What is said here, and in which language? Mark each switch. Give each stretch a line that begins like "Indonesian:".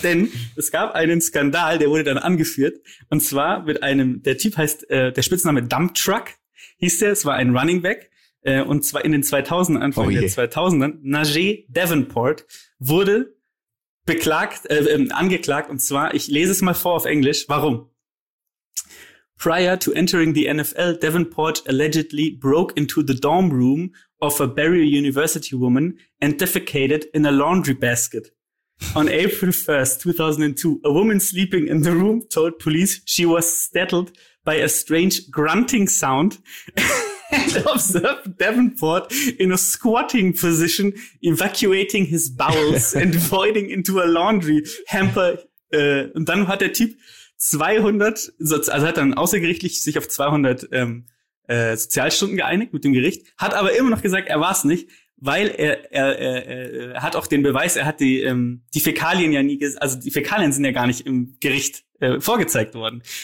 German: Denn es gab einen Skandal, der wurde dann angeführt. Und zwar mit einem, der Typ heißt, der Spitzname Dump Truck hieß der. Es war ein Running Back. Und zwar in den 2000ern, Anfang der 2000ern, Najee Davenport wurde angeklagt. Und zwar, ich lese es mal vor auf Englisch. Warum?
English: prior to entering the NFL, Davenport allegedly broke into the dorm room of a Barry University woman and defecated in a laundry basket. On April 1st, 2002, a woman sleeping in the room told police she was startled by a strange grunting sound and observed Davenport in a squatting position, evacuating his bowels and voiding into a laundry hamper.
German: Und dann hat der Typ 200, also hat dann außergerichtlich sich auf 200 Sozialstunden geeinigt mit dem Gericht, hat aber immer noch gesagt, er war es nicht, weil er hat auch den Beweis, er hat die die Fäkalien ja nie, also die Fäkalien sind ja gar nicht im Gericht vorgezeigt worden.